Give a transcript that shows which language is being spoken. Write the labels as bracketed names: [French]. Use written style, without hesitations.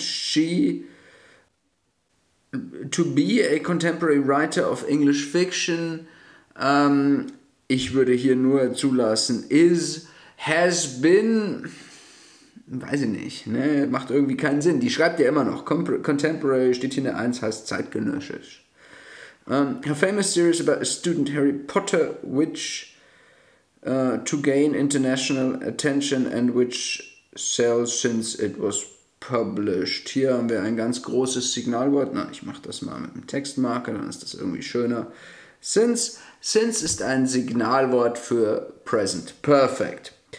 [English] She, to be a contemporary writer of English fiction, [German] ich würde hier nur zulassen, [English] is, has been, [German] weiß ich nicht, ne, macht irgendwie keinen Sinn. Die schreibt ja immer noch, contemporary steht hier eine 1, heißt zeitgenössisch. [English] Her famous series about a student Harry Potter, which to gain international attention and which sells since it was published. [German] Hier haben wir ein ganz großes Signalwort. Na, ich mache das mal mit dem Textmarker, dann ist das irgendwie schöner. Since ist ein Signalwort für Present. Perfect.